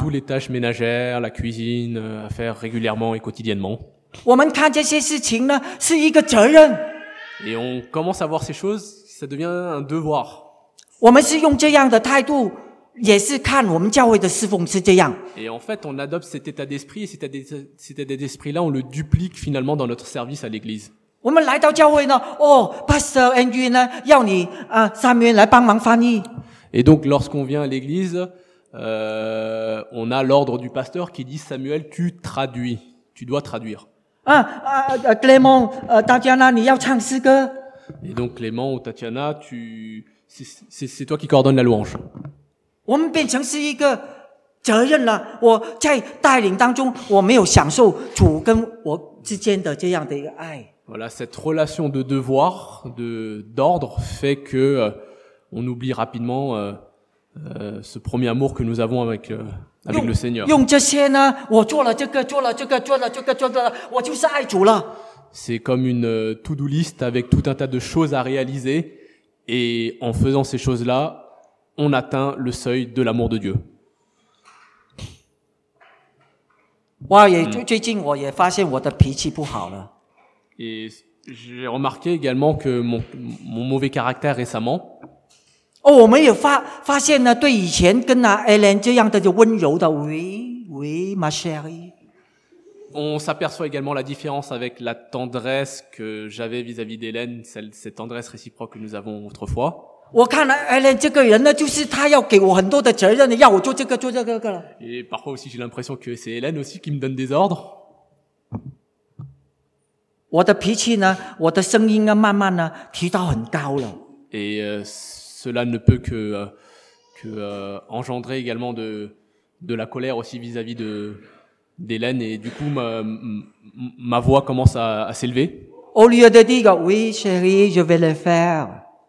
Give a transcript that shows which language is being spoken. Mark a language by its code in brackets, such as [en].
[fr] Voilà, toutes les tâches ménagères, la cuisine, à faire régulièrement et quotidiennement. [zh] 我们看这些事情呢，是一个责任。 [fr] Et on commence à voir ces choses, ça devient un devoir. [zh] 我们是用这样的态度，也是看我们教会的侍奉是这样。 [fr] Et en fait, on adopte cet état d'esprit, et cet état d'esprit-là, on le duplique finalement dans notre service à l'église. [zh] 我们来到教会呢，哦 ，Pastor Andrew 呢，要你啊，Samuel 来帮忙翻译。 [fr] Et donc, lorsqu'on vient à l'église, on a l'ordre du pasteur qui dit Samuel, tu traduis, tu dois traduire. [zh] Clément, Tatiana, 你要唱诗歌。 [fr] Et donc, Clément ou Tatiana, c'est toi qui coordonne la louange. [zh] 我们变成是一个责任了。我在带领当中，我没有享受主跟我之间的这样的一个爱。 [fr] Voilà, cette relation de devoir, d'ordre, fait que on oublie rapidement ce premier amour que nous avons avec le Seigneur. [zh] 用这些呢，我做了这个，做了这个，做了这个，做了，我就是爱主了。 [fr] C'est comme une to-do list avec tout un tas de choses à réaliser, et en faisant ces choses-là, on atteint le seuil de l'amour de Dieu. [zh] 哇，也最近我也发现我的脾气不好了。 [fr] Et j'ai remarqué également que mon mauvais caractère récemment. [zh] Oh, 我们也发现呢，对以前跟Ellen这样的就温柔的， [fr] oui, oui, ma chérie. On s'aperçoit également la différence avec la tendresse que j'avais vis-à-vis d'Ellen, cette tendresse réciproque que nous avons autrefois. [zh] 我看了 Ellen 这个人呢，就是他要给我很多的责任，要我做这个，做这个，个了。 [fr] Et parfois aussi, j'ai l'impression que c'est Ellen aussi qui me donne des ordres. [zh] 我的脾气呢，我的声音呢，慢慢呢提到很高了。 [fr] Et cela ne peut que engendrer également de la colère aussi vis-à-vis d'Hélène et du coup ma voix commence à s'élever. Au lieu de dire oui chérie, je vais le faire.